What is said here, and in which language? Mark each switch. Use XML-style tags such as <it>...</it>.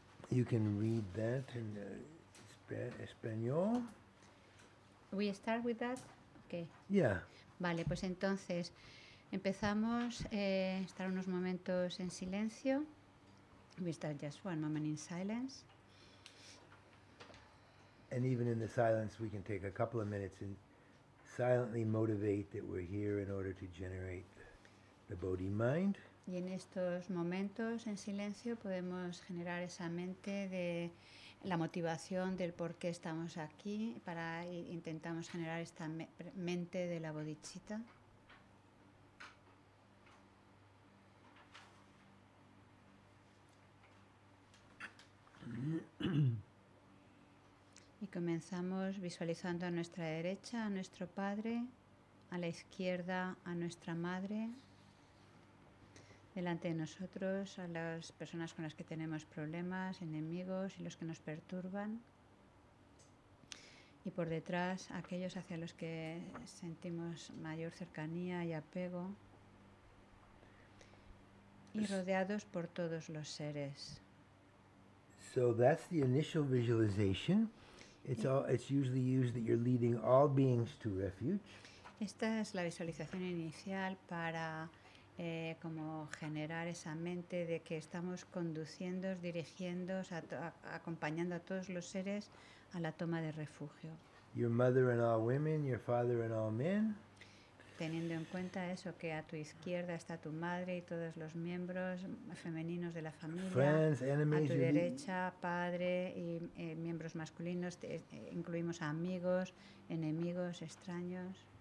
<en>You can read that in español. We start with that? Okay. Yeah.</en> <es>Vale, pues entonces empezamos estar unos momentos en silencio.</es> <en>We start just one moment in silence. And even in the silence, we can take a couple of minutes and silently motivate that we're here in order to generate the Bodhi mind.</en> <es>Y en estos momentos, en silencio, podemos generar esa mente de la motivación del por qué estamos aquí para intentamos generar esta mente de la bodhicitta. Y comenzamos visualizando a nuestra derecha a nuestro padre, a la izquierda a nuestra madre, delante de nosotros a las personas con las que tenemos problemas, enemigos y los que nos perturban, y por detrás aquellos hacia los que sentimos mayor cercanía y apego, y rodeados por todos los seres.</es> <en>So that's the initial visualization. It's all. It's usually used that you're leading all beings to refuge.</en> <es>Esta es la visualización inicial para como generar esa mente de que estamos conduciendo, dirigiendo, acompañando a todos los seres a la toma de refugio.</es> <en>Your mother and all women, your father and all men.</en> <es>Teniendo en cuenta eso, que a tu izquierda está tu madre y todos los miembros femeninos de la familia.</es> <en>Friends, enemies,</en> <es>a tu derecha, padre y miembros masculinos, incluimos a amigos, enemigos, extraños.</es>